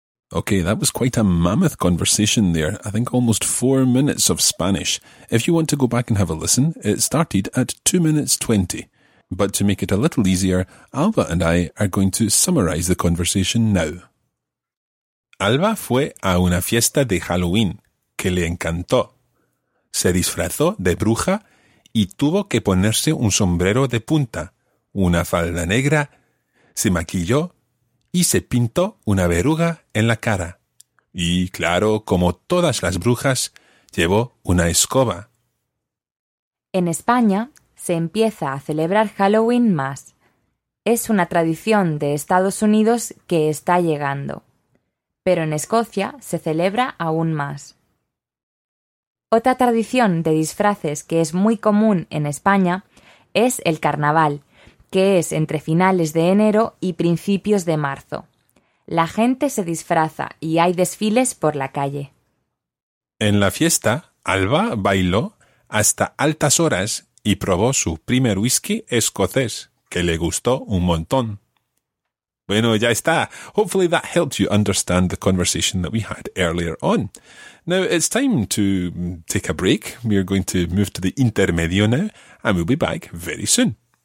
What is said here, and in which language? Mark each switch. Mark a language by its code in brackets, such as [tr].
[en] Okay, that was quite a mammoth conversation there. I think almost 4 minutes of Spanish. If you want to go back and have a listen, it started at 2:20. But to make it a little easier, Alba and I are going to summarize the conversation now. [es] Alba fue a una fiesta de Halloween que le encantó. Se disfrazó de bruja y tuvo que ponerse un sombrero de punta, una falda negra, se maquilló y se pintó una verruga en la cara. Y claro, como todas las brujas, llevó una escoba. En España se empieza a celebrar Halloween más. Es una tradición de Estados Unidos que está llegando. Pero en Escocia se celebra aún más. Otra tradición de disfraces que es muy común en España es el carnaval, que es entre finales de enero y principios de marzo. La gente se disfraza y hay desfiles por la calle. En la fiesta, Alba bailó hasta altas horas y probó su primer whisky escocés, que le gustó un montón. Bueno, ya está. [en] Hopefully that helped you understand the conversation that we had earlier on. Now it's time to take a break. We are going to move to the intermedio now, and we'll be back very soon.